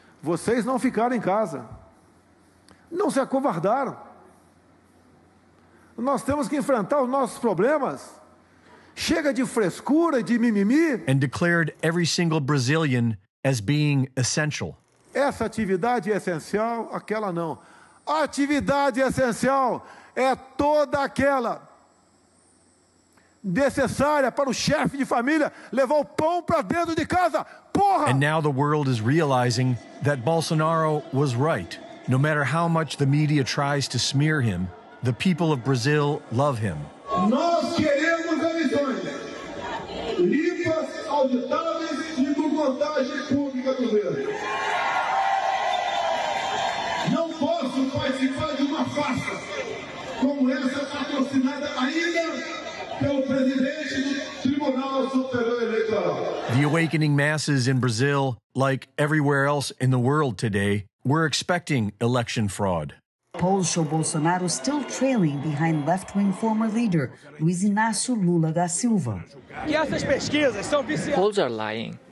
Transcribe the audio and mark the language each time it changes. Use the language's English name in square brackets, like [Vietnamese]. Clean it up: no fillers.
[Portuguese] Vocês não ficaram em casa. Não se acovardaram. Nós temos que enfrentar os nossos problemas. Chega de frescura, de mimimi. [English] And declared every single Brazilian as being essential. [Portuguese] Essa atividade é essencial, aquela não. A atividade essencial é toda aquela necessária para o chefe de família levar o pão para dentro de casa. Porra! [English] And now the world is realizing that Bolsonaro was right. No matter how much the media tries to smear him, the people of Brazil love him. [Portuguese] Nós queremos eleições limpas, auditáveis e com contagem pública do governo. Não posso participar de uma farsa como essa patrocinada ainda pelo presidente do Tribunal Superior Eleitoral. [English] The awakening masses in Brazil, like everywhere else in the world today, were expecting election fraud. Polls show Bolsonaro still trailing behind left-wing former leader Luiz Inácio Lula da Silva. Polls are lying.